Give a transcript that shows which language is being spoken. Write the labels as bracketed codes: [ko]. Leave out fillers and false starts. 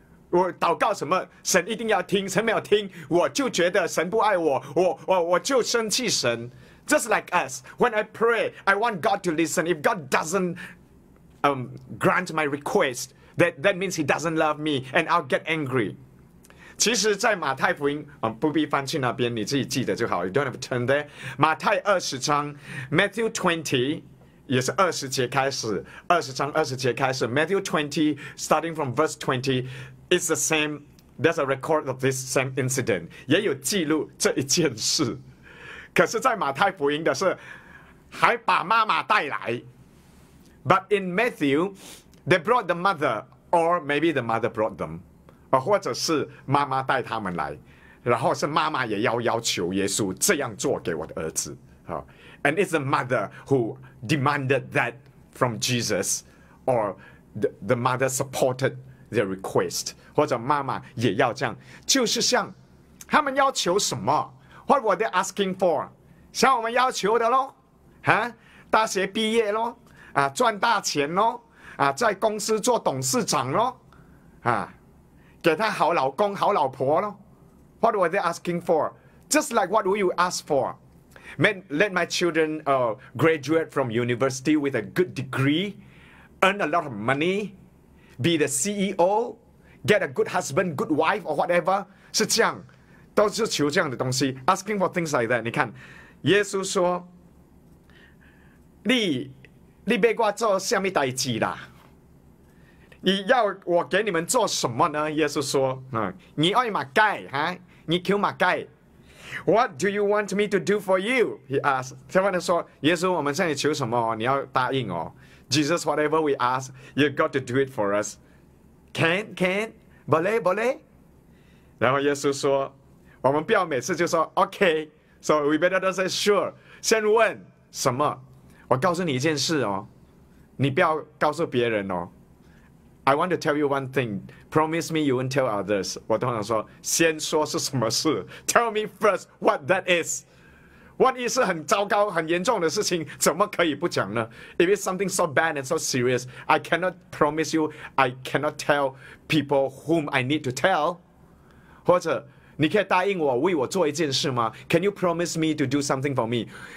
[zh] 我祷告什么，神一定要听，神没有听，我就觉得神不爱我，我就生气神。 [en] Just like us, when I pray, I want God to listen. If God doesn't grant my request, that means He doesn't love me, and I'll get angry. [zh] 其实，在马太福音，不必翻去那边，你自己记得就好。 [en] You don't have to turn there. [zh] 马太二十章 ，Matthew 20, 也是二十节开始，二十章二十节开始 ， [en] Matthew 20 starting from verse 20 is the same. There's a record of this same incident. [zh] 也有记录这一件事。可是，在马太福音的是还把妈妈带来 ， [en] But in Matthew, they brought the mother, or maybe the mother brought them, [zh] 或者是妈妈带他们来，然后是妈妈也要要求耶稣这样做给我的儿子。 [en] And it's the mother who demanded that from Jesus, or the mother supported their request, [zh] 或者妈妈也要这样，就是像他们要求什么。 [en] What were they asking for? [zh] 像我们要求的咯、啊、大学毕业咯、啊、赚大钱咯、啊、在公司做董事长咯、啊、给他好老公好老婆咯。 [en] What were they asking for? Just like what will you ask for? Let my children graduate from university with a good degree, earn a lot of money, be the CEO, get a good husband, good wife, or whatever. [zh] 是这样。都是求这样的东西 ， [en] asking for things like that。 [zh] 你看，耶稣说：“你别挂做下面代志啦，你要我给你们做什么呢？” 耶稣说：“嗯，你爱马盖哈，你求马盖。 [en] What do you want me to do for you？” He asked。 [zh] 他问他说：“耶稣，我们向你求什么？你要答应哦。” [en] Jesus, whatever we ask, you got to do it for us. Can? [zh] 不嘞不嘞。然后耶稣说。我们不要每次就说 [en] OK， so we better just say sure， [zh] 先问什么。我告诉你一件事哦，你不要告诉别人哦。 [en] I want to tell you one thing， promise me you won't tell others。 [zh] 我通常说先说是什么事， [en] tell me first what that is。 [zh] 万一是很糟糕很严重的事情，怎么可以不讲呢？ [en] If it's something so bad and so serious， I cannot promise you， I cannot tell people whom I need to tell。 [zh] 或者你可以答应我为我做一件事吗？ [en] Can you promise me to do something for me?